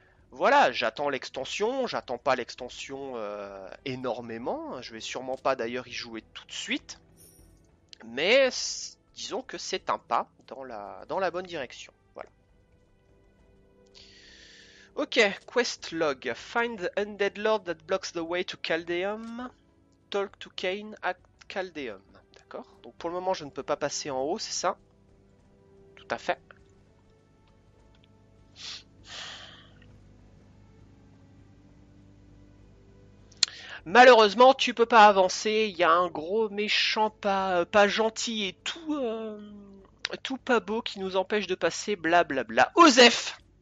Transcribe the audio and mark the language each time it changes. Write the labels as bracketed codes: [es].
[fr] Voilà, j'attends l'extension, j'attends pas l'extension énormément, je vais sûrement pas d'ailleurs y jouer tout de suite, mais disons que c'est un pas dans la bonne direction. [en] Ok, quest log. Find the undead lord that blocks the way to Caldeum. Talk to Cain at Caldeum. [fr] D'accord. Donc pour le moment, je ne peux pas passer en haut, c'est ça? Tout à fait. Malheureusement, tu peux pas avancer. Il y a un gros méchant pas gentil et tout pas beau qui nous empêche de passer. Blablabla. Osef!